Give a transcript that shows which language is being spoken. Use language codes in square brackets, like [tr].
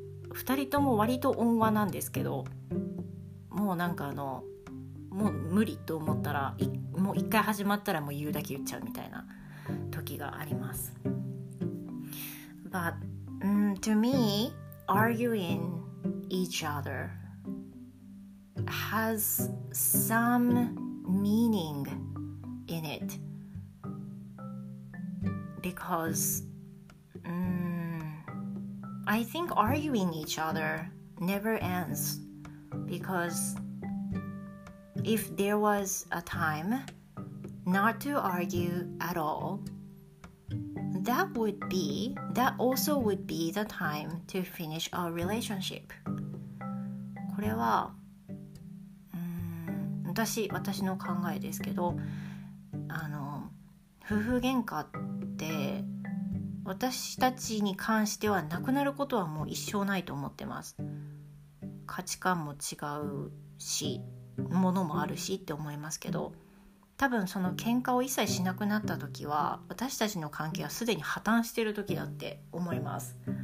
[ja] 二人とも割と温和なんですけど、もうなんかもう無理と思ったら、もう一回始まったらもう言うだけ言っちゃうみたいな時があります。 [en] But to me, arguing each other has some meaning in it, because I think arguing each other never ends, because if there was a time not to argue at all, that also would be the time to finish our relationship. [ja] これは私の考えですけど、夫婦喧嘩って私たちに関してはなくなることはもう一生ないと思ってます。価値観も違うし、ものもあるしって思いますけど、多分その喧嘩を一切しなくなった時は、私たちの関係はすでに破綻してる時だって思います。